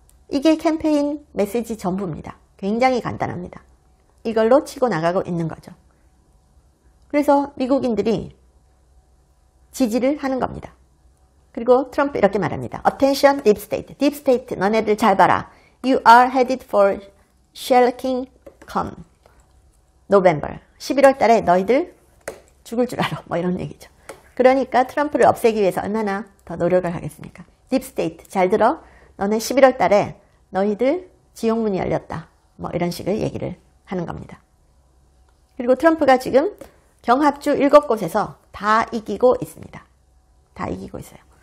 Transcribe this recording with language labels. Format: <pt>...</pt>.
<ko>이게 캠페인 메시지 전부입니다. 굉장히 간단합니다. 이걸로 치고 나가고 있는 거죠. 그래서 미국인들이 지지를 하는 겁니다. 그리고 트럼프 이렇게 말합니다.</ko> <en>Attention, Deep State. Deep State,</en> <ko>너네들 잘 봐라.</ko> <en>You are headed for shellacking come November.</en> <ko>11월 달에 너희들 죽을 줄 알아. 뭐 이런 얘기죠. 그러니까 트럼프를 없애기 위해서 얼마나 더 노력을 하겠습니까? Deep State, 잘 들어. 너네 11월 달에 너희들 지옥문이 열렸다. 뭐 이런 식의 얘기를 하는 겁니다. 그리고 트럼프가 지금 경합주 7곳에서 다 이기고 있습니다. 다 이기고 있어요.</ko>